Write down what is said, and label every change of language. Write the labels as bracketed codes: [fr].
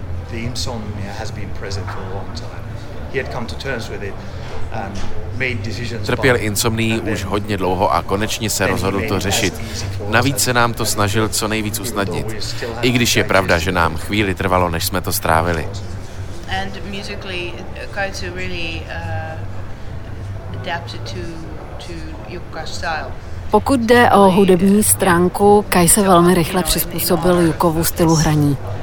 [en] The insomnia has been present for a long time. He had come to terms with it and made decisions. [cs] Trpěl insomnií už hodně dlouho a konečně se rozhodl to řešit. Navíc se nám to snažil co nejvíc usnadnit. I když je pravda, že nám chvíli trvalo, než jsme to strávili. [en] And musically Kaizu really adapted to Yuka's style. [cs] Pokud jde o hudební stránku, Kai se velmi rychle přizpůsobil Yukovu stylu hraní.